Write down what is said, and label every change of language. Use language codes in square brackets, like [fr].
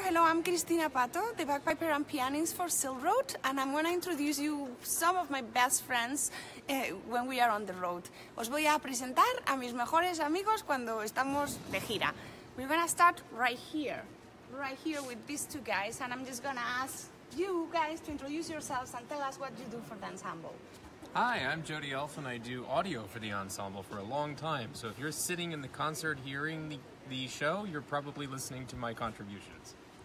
[en] Hello, I'm Cristina Pato, the bagpiper and pianist for SilkRoad, and I'm going to introduce you some of my best friends when we are on the road. [es] Os voy a presentar a mis mejores amigos cuando estamos de gira. [en] We're going to start right here with these two guys, and I'm just going to ask you guys to introduce yourselves and tell us what you do for the ensemble. Hi, I'm Jody Elf, and I do audio for the ensemble for a long time. So if you're sitting in the concert hearing the show, you're probably listening to my contributions.